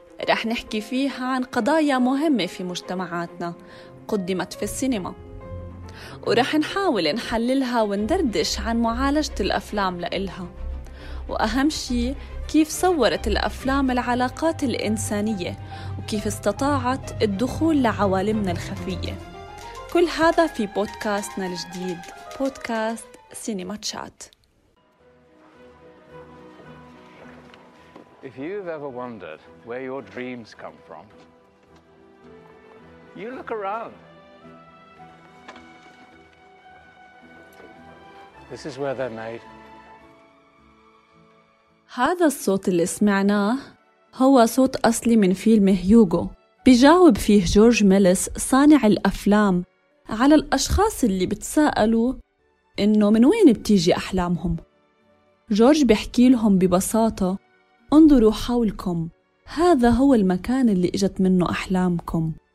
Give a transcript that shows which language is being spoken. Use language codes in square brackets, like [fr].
[ar] رح نحكي فيها عن قضايا مهمة في مجتمعاتنا قدمت في السينما، ورح نحاول نحللها وندردش عن معالجة الأفلام لإلها، وأهم شي كيف صورت الأفلام العلاقات الإنسانية وكيف استطاعت الدخول لعوالمنا الخفية. كل هذا في بودكاستنا الجديد، بودكاست سينما تشات. [en] If you've ever wondered where your dreams come from, you look around. This is where they're made. [ar] هذا الصوت اللي سمعناه هو صوت أصلي من فيلم هيوغو، بيجاوب فيه جورج ميلس صانع الأفلام على الأشخاص اللي بتسألوا إنه من وين بتيجي أحلامهم. جورج بيحكي لهم ببساطة، انظروا حولكم، هذا هو المكان اللي اجت منه أحلامكم.